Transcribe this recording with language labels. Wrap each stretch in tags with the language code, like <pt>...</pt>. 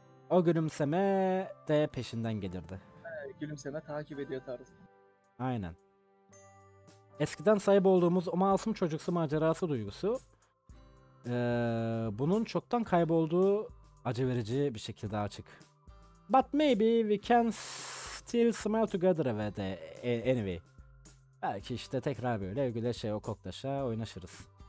<tr>O gülümseme de peşinden gelirdi. Gülümseme takip ediyor tarzı. Aynen. Eskiden sahip olduğumuz o masum çocuksu macerası duygusu bunun çoktan kaybolduğu acı verici bir şekilde açık.</tr> <en>But maybe we can still smile together ve de anyway.</en> <tr>Belki işte tekrar böyle güleşe o koklaşa oynaşırız.</tr>